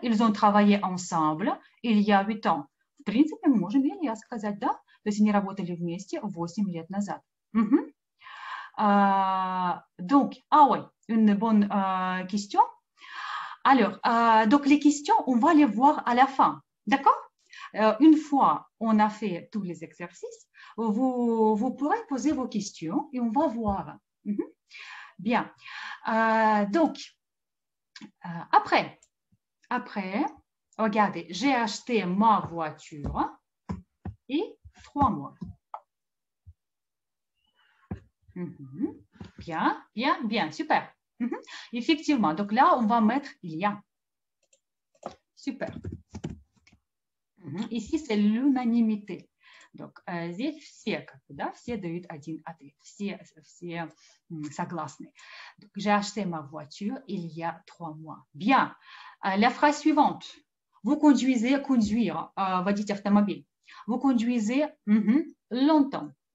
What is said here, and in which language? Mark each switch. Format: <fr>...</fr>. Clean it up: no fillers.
<fr>Ils ont travaillé ensemble il y a 8 ans.</fr> <ru>В принципе, мы можем или я сказать, да. То есть, они работали вместе 8 лет назад.</ru> <fr>Donc, oui, une bonne question. Alors, donc les questions, on va les voir à la fin, d'accord? Une fois on a fait tous les exercices, vous pourrez poser vos questions et on va voir. Bien. Donc, après, regardez, j'ai acheté ma voiture et 3 mois. Bien, bien, bien, super. Effectivement, donc là, on va mettre il y a. Super. Ici, c'est l'unanimité.</fr> <ru>Donc, здесь все, да, все дают один ответ. Все согласны.</ru> <fr>Donc, j'ai acheté ma voiture il y a 3 mois. Bien. La phrase suivante. Vous conduisez, conduire,</fr> <ru>водить автомобиль.</ru> <fr>Vous conduisez longtemps.</fr>